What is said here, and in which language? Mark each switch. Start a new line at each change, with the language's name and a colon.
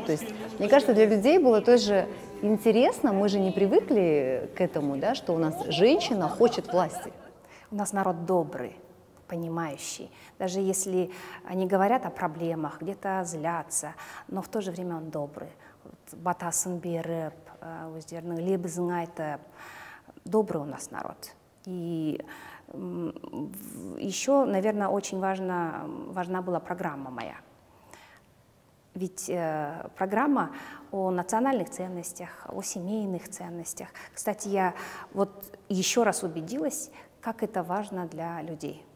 Russian: То есть, мне кажется, для людей было тоже интересно, мы же не привыкли к этому, да, что у нас женщина хочет власти. У нас народ добрый, понимающий. Даже если они говорят о проблемах, где-то злятся, но в то же время он добрый.
Kazakh: Батасын беріп, өздерінің лебізін айтып.
Russian: Добрый у нас народ. И еще, наверное, очень важна была программа моя. Ведь программа о национальных ценностях, о семейных ценностях. Кстати, я вот еще раз убедилась, как это важно для людей.